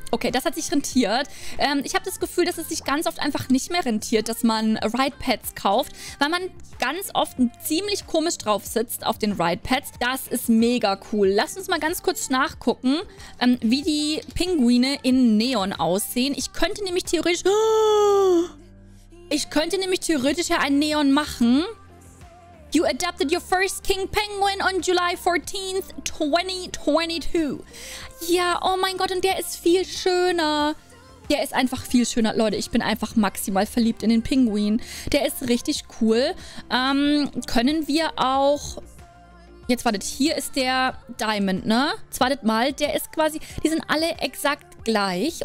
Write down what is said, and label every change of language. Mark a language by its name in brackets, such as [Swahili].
[German] Okay, das hat sich rentiert. Ich habe das Gefühl, dass es sich ganz oft einfach nicht mehr rentiert, dass man Ride Pads kauft, weil man ganz oft ziemlich komisch drauf sitzt auf den Ride Pads. Das ist mega cool. Lass uns mal ganz kurz nachgucken, wie die Pinguine in Neon aussehen. Ich könnte nämlich theoretisch ja einen Neon machen. [English] You adopted your first King Penguin on July 14th, 2022. [German] Ja, oh mein Gott, und der ist viel schöner. Der ist einfach viel schöner. Leute, ich bin einfach maximal verliebt in den Pinguin. Der ist richtig cool. Können wir auch... Jetzt wartet, hier ist der Diamond, ne? Jetzt wartet mal, der ist quasi... Die sind alle exakt gleich.